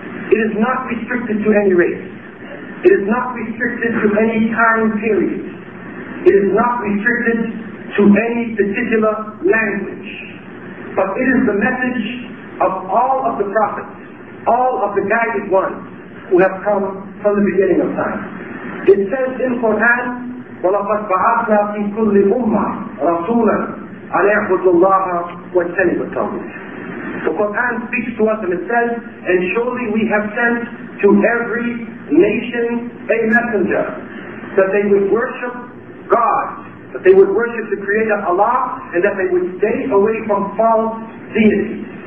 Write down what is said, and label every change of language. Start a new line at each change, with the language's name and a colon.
English: It is not restricted to any race. It is not restricted to any time period. It is not restricted to any particular language. But it is the message of all of the prophets, all of the guided ones who have come from the beginning of time. It says in Quran,
Arabic: وَلَقَدْ بَعَثْنَا فِي كُلِّ أُمَّةٍ رَسُولًا أَنْ اعْبُدُوا اللَّهَ وَاجْتَنِبُوا الطَّاغُوتَ.
English: The Quran speaks to us and it says, and surely we have sent to every nation a messenger that they would worship God, that they would worship the Creator Allah, and that they would stay away from false deities.